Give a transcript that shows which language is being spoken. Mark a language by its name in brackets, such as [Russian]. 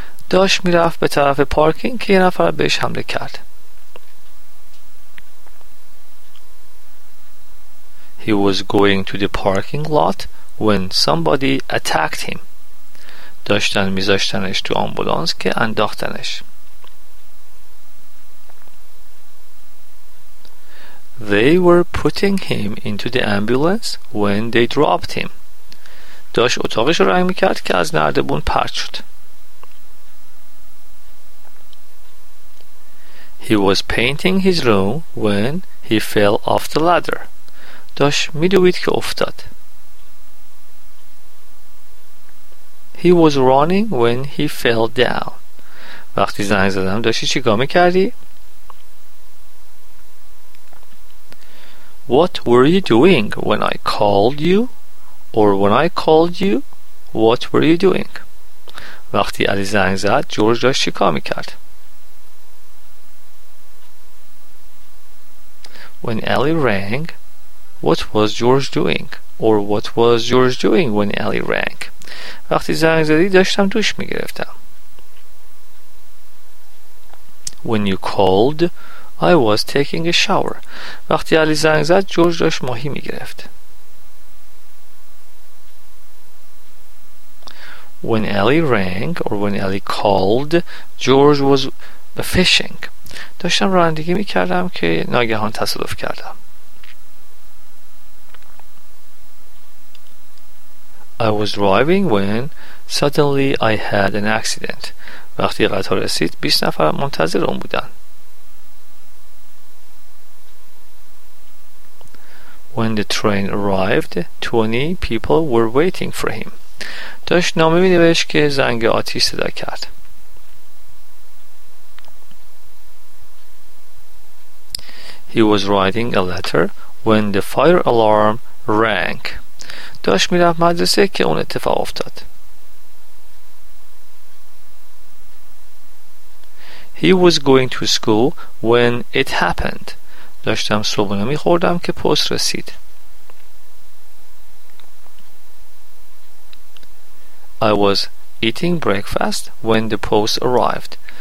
[Persian] داشت میرفت به طرف پارکینگ که یه نفر بهش حمله کرد. [English] He was going to the parking lot when somebody attacked him. [Persian] داشتن میذاشتنش تو آمبولانس که انداختنش. [English] They were putting him into the ambulance when they dropped him. [Persian] داشت اتاقش رو رنگ میکرد که از نردبون پرت شد. [English] He was painting his room when he fell off the ladder. [Persian] داشت میدوید که افتاد. [English] He was running when he fell down. [Persian] وقتی زنگ زدم داشتی چی گامه کردی؟ [English] What were you doing when I called you? Or when I called you, what were you doing? [Persian] وقتی علی زنگ زد، جورج داشت چی کار میکرد؟ [English] When Ali rang, what was George doing? Or what was George doing when Ali rang? [Persian] وقتی زنگ زدی، داشتم دوش میگرفتم. [English] When you called, I was taking a shower. [Persian] وقتی علی زنگ زد، جورج داشت ماهی میگرفت. [English] When Ali rang or when Ali called, George was fishing. [Persian] داشتم رانندگی میکردم که ناگهان تصادف کردم. [English] I was driving when suddenly I had an accident. [Persian] وقتی قطار رسید 20 نفر منتظر اون بودن. [English] When the train arrived, 20 people were waiting for him. [Persian] داشت نامه می نوشت که زنگ آتیش صدا کرد. [English] He was writing a letter when the fire alarm rang. [Persian] داشت می رفت مدرسه که اون اتفاق افتاد. [English] He was going to school when it happened. [Persian] داشتم صبحونه می خوردم که پست رسید. [English] I was eating breakfast when the post arrived.